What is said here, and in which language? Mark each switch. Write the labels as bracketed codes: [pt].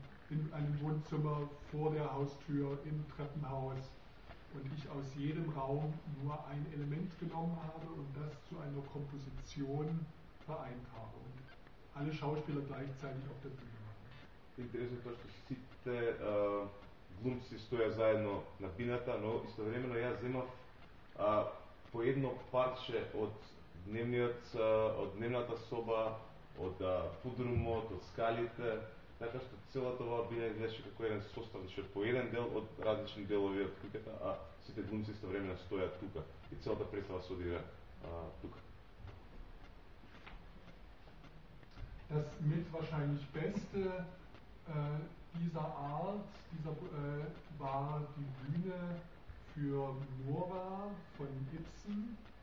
[de] In einem Wohnzimmer vor der Haustür im Treppenhaus und ich aus jedem Raum nur ein Element genommen habe und das zu einer Komposition vereint habe. Alle Schauspieler gleichzeitig auf der Bühne machen. [mk] Интересно тоа што сите глумци стоја заедно на бината, но истовремено јас земав по едно парче од дневниот од дневната соба, од подрумот, од скалите, така што целата оваа бина изгледаше како еден состав, значи по еден дел од различни делови од куќата, а сите глумци истовремено стојат тука и целата представа се одвива тука. [de] Das mit wahrscheinlich Beste dieser Art war die Bühne für Nora von Ibsen.